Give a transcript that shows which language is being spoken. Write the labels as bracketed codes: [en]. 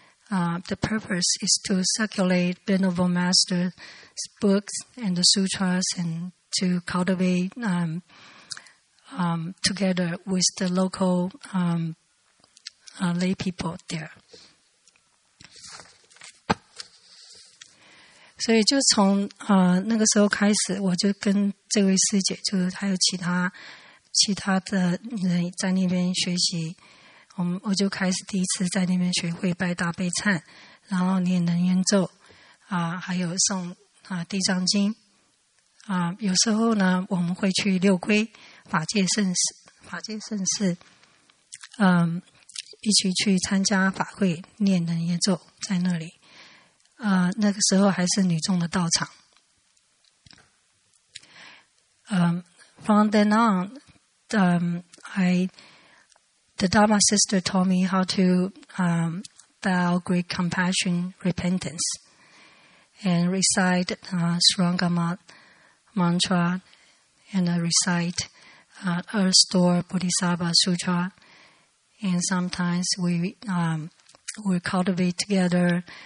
[en] The purpose is to circulate Venerable Master's books and the sutras and to cultivate together with the local lay people there. [zh] 所以就从那个时候开始，我就跟这位师姐，就是还有其他的人在那边学习。我就开始第一次在那边学会拜大悲忏，然后念楞严咒还有诵地藏经有时候呢，我们会去六归法界圣寺一起去参加法会，念楞严咒在那里。那个时候还是女众的道场。 [en] From then on, the Dharma sister told me how to bow great compassion, repentance, and recite Sarangama mantra, and recite Earth Store Bodhisattva Sutra, and sometimes we cultivate together.